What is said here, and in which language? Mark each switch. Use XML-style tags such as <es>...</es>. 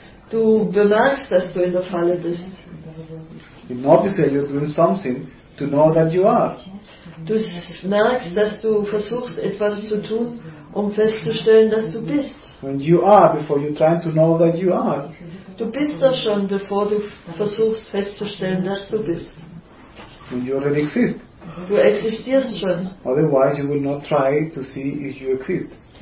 <de>Du bemerkst, dass du in der Falle bist.</de> <en>You notice that you're doing something to know that you are.</en> <de>Du merkst, dass du versuchst, etwas zu tun, um festzustellen, dass du bist.</de> <en>When you are, before you're trying to know that you are.</en> <de>Du bist doch schon, bevor du versuchst, festzustellen, dass du bist.</de> <en>When you already exist.</en> <de>Du existierst schon.</de> <en>Otherwise you will not try to see if you exist.</en>